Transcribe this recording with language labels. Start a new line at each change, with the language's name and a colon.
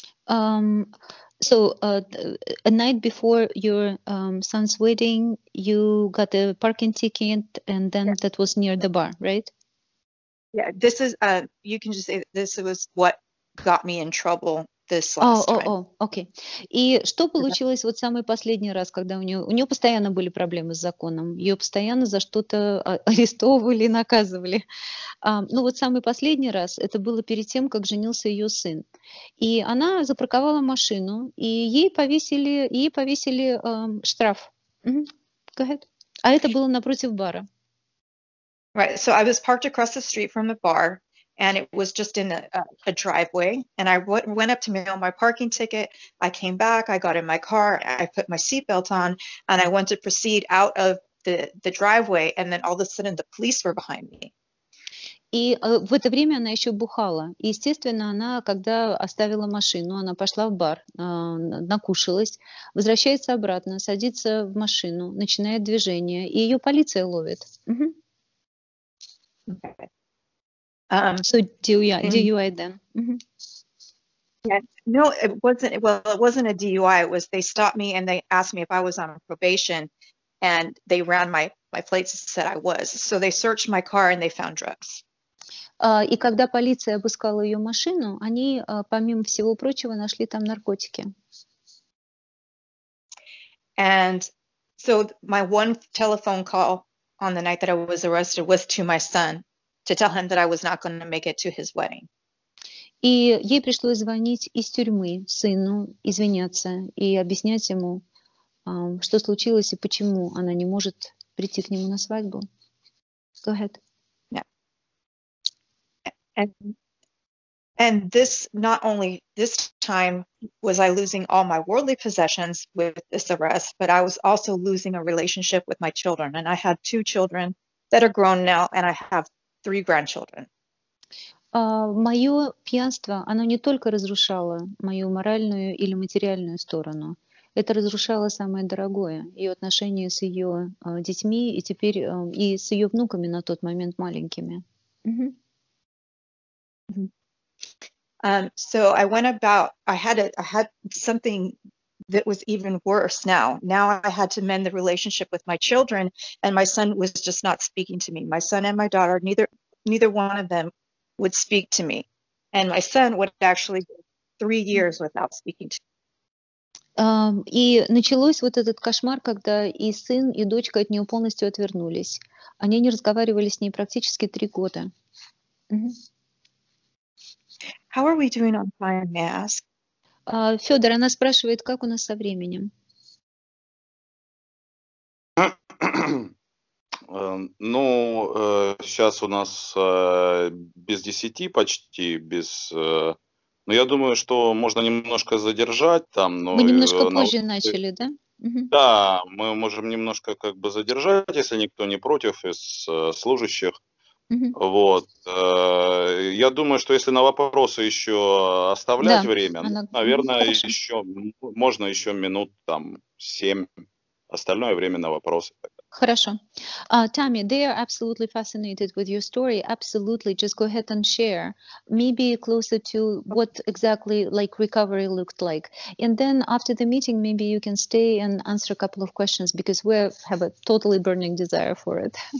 English: A night before your son's wedding, you got a parking ticket, and then yeah. That was near the bar, right? Yeah, this is, you can just say this was what got me in trouble this last time. Oh, okay.
Russian: И что получилось вот самый последний раз, когда у нее постоянно были проблемы с законом, ее постоянно за что-то арестовывали, наказывали. Ну вот самый последний раз, это было перед тем, как женился ее сын. И она запарковала машину, и ей повесили штраф.
English: Mm-hmm. Go ahead.
Russian: А это было напротив бара.
English: Right, so I was parked across the street from the bar, and it was just in a driveway, and I went up to mail my parking ticket, I came back, I got in my car, I put my seatbelt on, and I went to proceed out of the driveway, and then all of a sudden the police were behind me.
Russian: И в это время она еще бухала. И, естественно, она, когда оставила машину, она пошла в бар, накушалась, возвращается обратно, садится в машину, начинает движение, и ее полиция ловит.
English: Mm-hmm. Okay. So DUI then? Mm-hmm. Yeah. No, it wasn't. Well, it wasn't a DUI. It was they stopped me and they asked me if I was on probation, and they ran my plates and said I was. So they searched my car and they found drugs.
Russian: И когда полиция обыскала ее машину, они помимо всего прочего нашли там наркотики.
English: And so my one telephone call on the night that I was arrested was to my son. To tell him that I was not going to make it to his wedding.
Russian: И ей пришлось звонить из тюрьмы сыну, извиняться и объяснять ему, что случилось и почему она не может прийти к нему на свадьбу.
English: Go ahead. Yeah. And this not only this time was I losing all my worldly possessions with this arrest, but I was also losing a relationship with my children. And I had two children that are grown now, and I have three grandchildren.
Russian: Мое пьянство, оно не только разрушало мою моральную или материальную сторону, это разрушало самое дорогое, ее отношения с ее детьми и теперь и с ее внуками на тот момент маленькими.
English: Mm-hmm. So I went about, I had something that was even worse now. Now I had to mend the relationship with my children, and my son was just not speaking to me. My son and my daughter, neither one of them would speak to me. And my son would actually go 3 years without speaking to me.
Russian: И началось вот этот кошмар, когда и сын, и дочка от нее полностью отвернулись. Они не разговаривали с ней практически 3 года.
English: Mm-hmm. How are we doing on time, may I ask?
Russian: Федор, она спрашивает, как у нас со временем? Ну, сейчас у нас без 10 почти, без... Ну, я думаю, что можно немножко задержать там. Но мы немножко позже начали, да? Да, мы можем немножко как бы задержать, если никто не против из служащих.
English: Uh-huh.
Russian: Вот. Я думаю, что если на вопросы еще оставлять да, время, она... наверное, хорошо. Еще можно еще минут там 7. Остальное время на вопросы. Хорошо.
English: Tammy, they are absolutely fascinated with your story. Absolutely. Just go ahead and share. Maybe closer to what exactly like recovery looked like. And then after the meeting, maybe you can stay and answer a couple of questions because we have a totally burning desire for it.